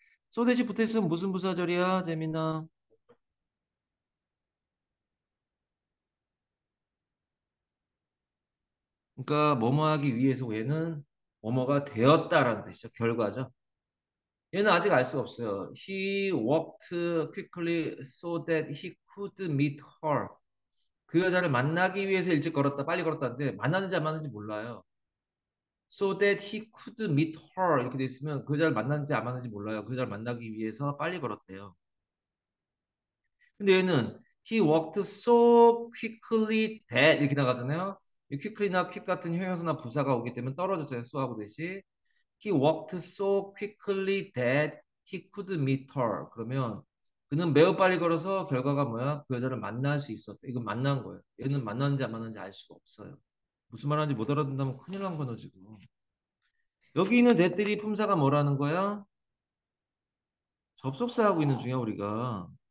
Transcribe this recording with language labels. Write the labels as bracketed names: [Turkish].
[Korean] 소 대시 붙어 있으면 무슨 부사절이야? 재미나. 그러니까 뭐뭐하기 위해서 얘는 뭐뭐가 되었다라는 뜻이죠. 결과죠. 얘는 아직 알 수가 없어요. [English] He walked quickly so that he could meet her. [Korean] 그 여자를 만나기 위해서 일찍 걸었다. 빨리 걸었다는데 만났는지 안 만났는지 몰라요. [English] So that he could meet her [Korean] 이렇게 돼 있으면 그 여자를 만났는지 안 만났는지 몰라요. 그 여자를 만나기 위해서 빨리 걸었대요. 근데 얘는 [English] He walked so quickly that [Korean] 이렇게 나가잖아요. quickly나 quick 같은 형용사나 부사가 오기 때문에 떨어졌잖아요. so하고 대시. [English] He walked so quickly that he could meet her. [Korean] 그러면 그는 매우 빨리 걸어서 결과가 뭐야? 그 여자를 만날 수 있었다. 이건 만난 거예요. 얘는 만났는지 안 만났는지 알 수가 없어요. 무슨 말 하는지 못 알아듣는다면 큰일 난 거죠, 지금. 여기 있는 that들이 품사가 뭐라는 거야? 접속사하고 있는 중이야, 우리가.